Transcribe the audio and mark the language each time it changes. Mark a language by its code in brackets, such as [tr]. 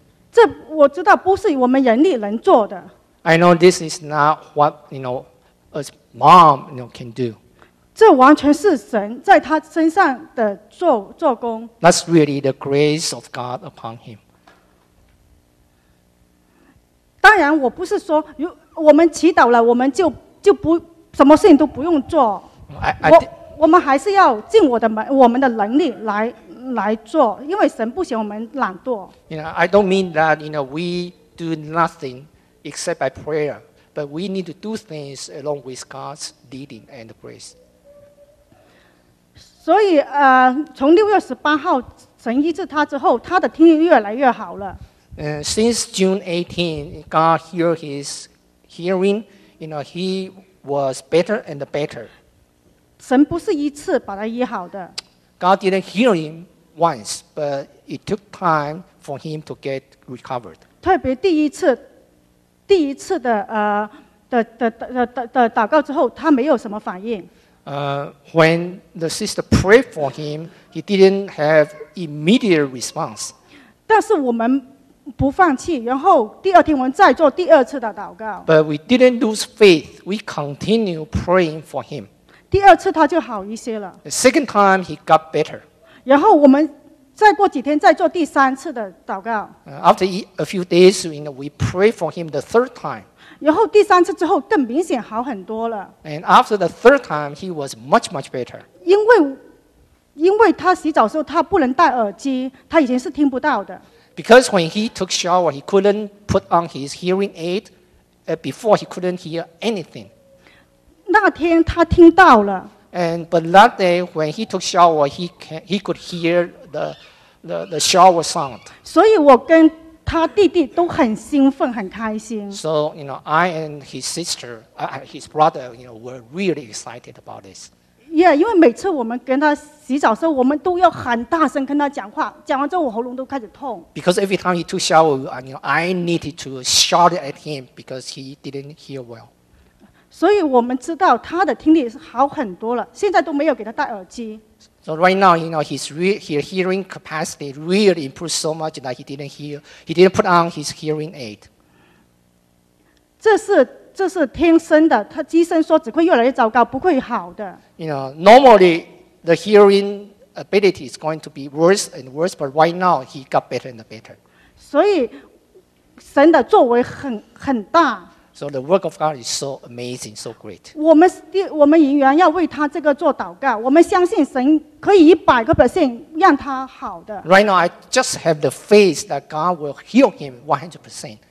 [zh] 这我知道不是我们人力能做的。 [en] I know this is not what you know as mom you know can do. [zh] 这完全是神在他身上的做工。 [en] That's really the grace of God upon him. [zh] 当然，我不是说我们祈祷了，我们就不什么事情都不用做。 [en] I [zh] 我们还是要尽我的门我们的能力来做，因为神不喜欢我们懒惰。 [en] You know, I don't mean that you know, we do nothing except by prayer, but we need to do things along with God's leading and grace. [zh] 所以，从六月十八号神医治他之后，他的听力越来越好了。 [en] Since June 18, God healed his hearing. You know, he was better and better. [zh] 神不是一次把他医好的。 [en] God didn't heal him once, but it took time for him to get recovered. [zh] 特别第一次的祷告之后，他没有什么反应。 [en] When the sister prayed for him, he didn't have immediate response. [zh] 但是我们不放弃，然后第二天我们再做第二次的祷告。 [en] But we didn't lose faith. We continue praying for him. [zh] 第二次他就好一些了。 [en] The second time he got better. [zh] 然后我们再过几天再做第三次的祷告。 [en] After a few days, you know, we pray for him the third time. [zh] 然后第三次之后更明显好很多了。 [en] And after the third time, he was much, much better. [zh] 因为他洗澡的时候他不能戴耳机，他以前是听不到的。 [en] Because when he took shower, he couldn't put on his hearing aid. Before, he couldn't hear anything. [zh] 那天他听到了。 [en] But that day, when he took shower, he could hear the shower sound. [zh] 所以我跟他弟弟都很兴奋，很开心。 [en] So you know, I and his sister, his brother, you know, were really excited about this. [zh] Yeah, 因为每次我们跟他洗澡的时候，我们都要很大声跟他讲话。讲完之后，我喉咙都开始痛。 [en] Because every time he took shower, you know, I needed to shout at him because he didn't hear well. [zh] 所以我们知道他的听力好很多了，现在都没有给他戴耳机。 [en] So right now, you know, his hearing capacity really improved so much that he didn't put on his hearing aid. [zh] 这是天生的，他医生说只会越来越糟糕，不会好的。 [en] You know, normally the hearing ability is going to be worse and worse, but right now he got better and better. [zh] 所以神的作为很大。 [en] So the work of God is so amazing, so great. [zh] 我们营员要为他这个做祷告，我们相信神可以100%让他好的。 [en] Right now, I just have the faith that God will heal him 100%.